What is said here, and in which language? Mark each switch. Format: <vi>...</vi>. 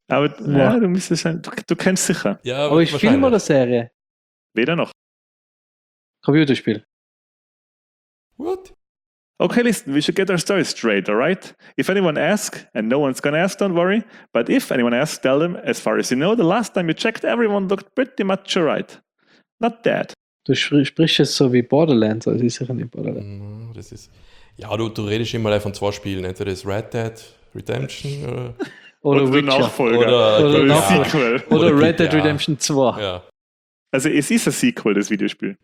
<de>Aber ja, du müsstest sein. Du kennst sicher. Ja, aber ich Film oder Serie? Weder noch. Computerspiel.</de> <en>What? Okay, listen, we should get our story straight, alright? If anyone asks, and no one's gonna ask, don't worry. But if anyone asks, tell them, as far as you know, the last time you checked, everyone looked pretty much alright. Not dead.</en> <de>Du sprichst es so wie Borderlands, also ist sicher nicht Borderlands. Mm, das ist. Ja, du redest immer von zwei Spielen, entweder das Red Dead Redemption oder. Oder Witcher. Oder Red Dead Redemption 2. Ja. Also es ist ein Sequel, das Videospiel.</de>